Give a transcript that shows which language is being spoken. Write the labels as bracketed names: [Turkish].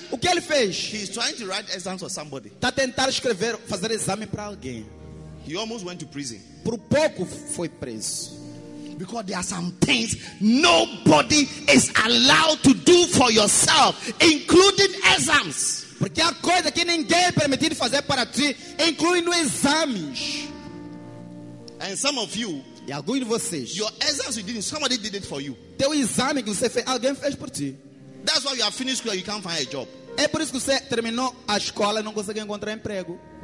[Portuguese] O que ele fez? [English] He is trying to write exams for somebody. [Portuguese] Está tentando escrever, fazer exame para alguém. [English] He almost went to prison. [Portuguese] Por pouco foi preso. [English] Because there are some things nobody is allowed to do for yourself, including exams. [Portuguese] Porque há coisa que ninguém é permitido fazer para ti, incluindo exames. [English] And some of you, [Portuguese] e alguns de vocês, [English] your exams you didn't, somebody did it for you. [Portuguese] Teu exame que você fez, alguém fez por ti. [English] That's why you have finished school, you can't find a job. [Portuguese] É por isso que você terminou a escola e não consegue encontrar emprego.